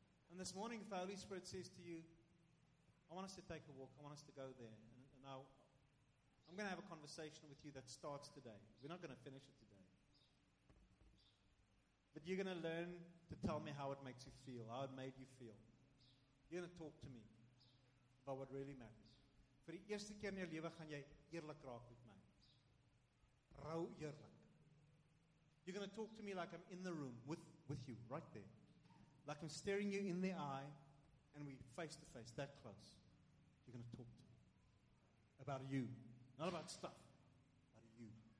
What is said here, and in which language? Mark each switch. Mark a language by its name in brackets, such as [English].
[English] And this morning, the Holy Spirit says to you, I want us to take a walk. I want us to go there. And I'm going to have a conversation with you that starts today. We're not going to finish it today. But you're going to learn to tell me how it makes you feel. How it made you feel. You're going to talk to me. About what really matters. [Afrikaans] Vir die eerste keer in jou lewe gaan jy eerlik raak met my. Rou eerlik. [English] You're going to talk to me like I'm in the room with you, right there. Like I'm staring you in the eye and we face to face, that close, you're going to talk to me about you, not about stuff, about you.